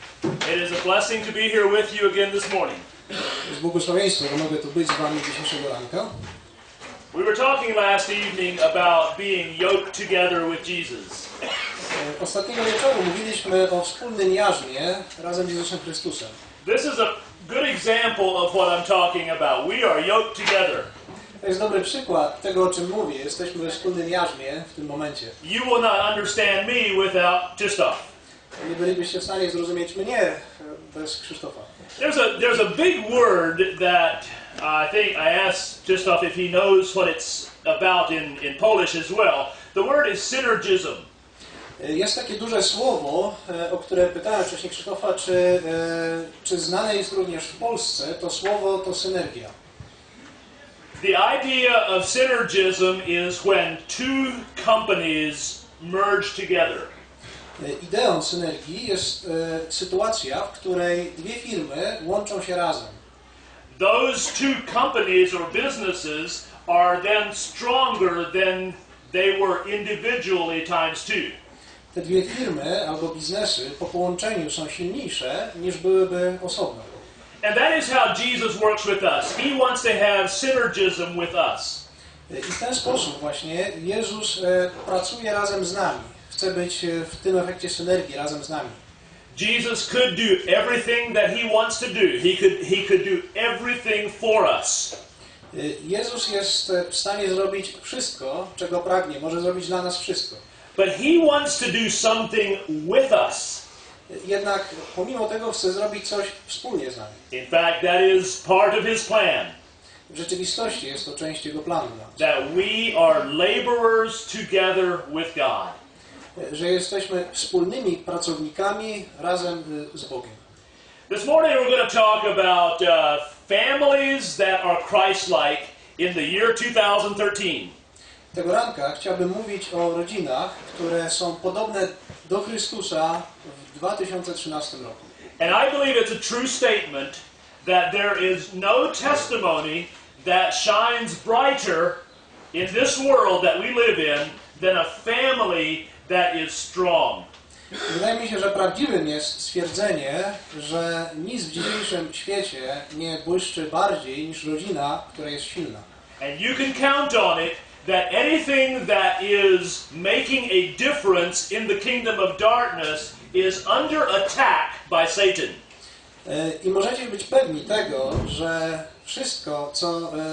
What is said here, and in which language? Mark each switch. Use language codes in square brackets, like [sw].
[en] It is a blessing to be here with you again this morning. [pl] Jest błogosławieństwo, że mogę tu być z wami dzisiejszego ranka. [en] We were talking last evening about being yoked together with Jesus. [pl] Ostatniego wieczoru mówiliśmy o wspólnym jarzmie razem z Jezusem Chrystusem. [en] This is a good example of what I'm talking about. We are yoked together. [pl] To jest dobry przykład tego, o czym mówię. Jesteśmy we wspólnym jarzmie w tym momencie. [en] You will not understand me without Krzysztof. [pl] Nie bylibyście w stanie zrozumieć mnie bez Krzysztofa. [en] There's a big word that I think I asked Krzysztof if he knows what it's about in Polish as well. The word is synergism. [pl] Jest takie duże słowo, o które pytałem wcześniej Krzysztofa, czy znane jest również w Polsce. To słowo to synergia. [en] The idea of synergism is when two companies merge together. [pl] Ideą synergii jest sytuacja, w której dwie firmy łączą się razem. [en] Those two companies or businesses are then stronger than they were individually times two. [pl] Te dwie firmy albo biznesy po połączeniu są silniejsze niż byłyby osobno. [en] And that is how Jesus works with us. He wants to have synergism with us. [pl] I w ten sposób właśnie Jezus pracuje razem z nami. Chce być w tym efekcie synergii razem z nami. [en] Jesus could do everything that he wants to do. He could do everything for us. [pl] Jezus jest w stanie zrobić wszystko, czego pragnie. Może zrobić dla nas wszystko. [en] But he wants to do something with us. [pl] Jednak pomimo tego chce zrobić coś wspólnie z nami. [en] In fact, that is part of his plan. [pl] W rzeczywistości jest to część jego planu. [en] That we are laborers together with God. [pl] Że jesteśmy wspólnymi pracownikami razem z Bogiem. [en] This morning we're going to talk about families that are Christ-like in the year 2013. [pl] Tego ranka chciałbym mówić o rodzinach, które są podobne do Chrystusa w 2013 roku. [en] And I believe it's a true statement that there is no testimony that shines brighter in this world that we live in than a family that is strong. [pl] Wydaje mi się, że prawdziwym jest stwierdzenie, że nic w dzisiejszym świecie nie błyszczy bardziej niż rodzina, która jest silna. [en] And you can count on it that anything that is making a difference in the kingdom of darkness is under attack by Satan. [pl] I możecie być pewni tego, że wszystko, co...